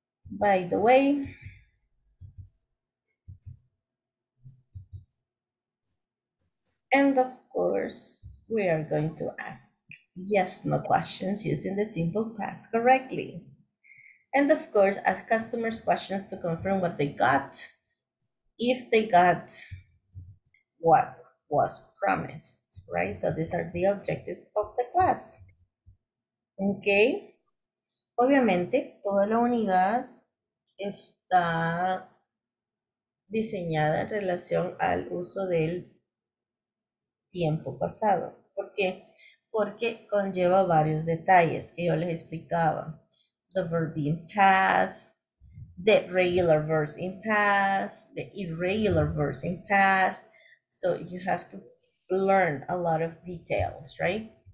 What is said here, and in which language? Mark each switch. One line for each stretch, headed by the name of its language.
English: By the way, and of course, we are going to ask yes, no questions using the simple past correctly. And of course, ask customers questions to confirm what they got, if they got what was promised, right? So these are the objectives of the class. Okay.
Spanish: Obviamente, toda la unidad está diseñada en relación al uso del tiempo pasado. ¿Por qué? Porque conlleva varios detalles que yo les explicaba.
English: The verb in past, the regular verb in past, the irregular verb in past. So you have to learn a lot of details, right?